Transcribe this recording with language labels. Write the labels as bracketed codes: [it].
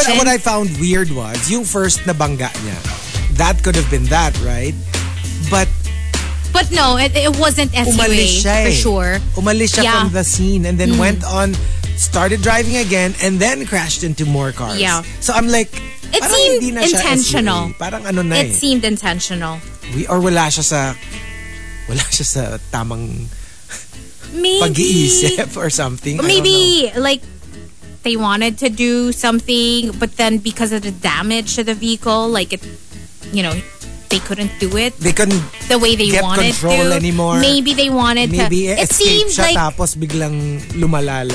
[en] No, but what I found weird was, [tl] yung first nabangga niya. [en] That could have been that, right? But... But no, it wasn't SUA. [tl] Umalis siya [en] for sure. [tl] Umalis siya [en] from the scene and then went on, started driving again, and then crashed into more cars. Yeah. So I'm like... It seemed intentional. [tl] Parang ano na [en] eh. It seemed intentional. [tl] Or wala siya sa tamang pag-iisip or something. [en] Maybe, like, they wanted to do something, but then because of the damage to the vehicle, like, it, you know, they couldn't do it. They couldn't the way they get wanted control Anymore. Maybe they wanted maybe Maybe escape [tl] siya, like, tapos biglang lumalala.